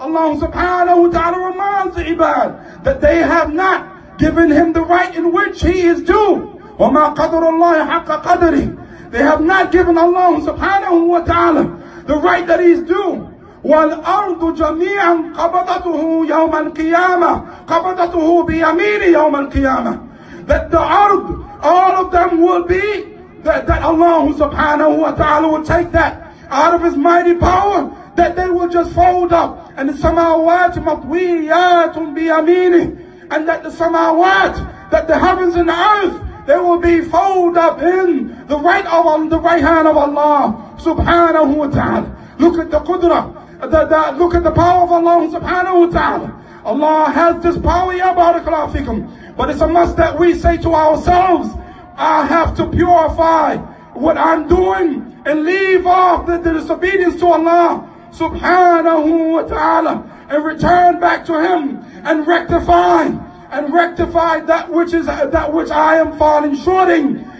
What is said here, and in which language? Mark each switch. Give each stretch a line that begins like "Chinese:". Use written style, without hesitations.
English: Allah subhanahu wa ta'ala reminds the ibad that they have not given him the right in which he is due.
Arabic: وَمَا قَدْرُ اللَّهِ حَقَّ قَدْرِهِ.
English: They have not given Allah subhanahu wa ta'ala the right that he is due.
Arabic: والأرض جميعا قبضته يوم القيامة قبضته بيمين يوم القيامة.
English: That the earth, all of them will be, that Allah subhanahu wa ta'ala will take that out of his mighty power, that they will just fold up. And the samawat
Arabic: مطويات بيمين.
English: And that the samawat, that the heavens and the earth, they will be fold up in the right hand of Allah subhanahu wa ta'ala. Look at the qudra. Look at the power of Allah subhanahu wa ta'ala. Allah has this power, ya barakallahu fikum. But it's a must that we say to ourselves, I have to purify what I'm doing and leave off the disobedience to Allah subhanahu wa ta'ala and return back to Him and rectify that which I am falling short in.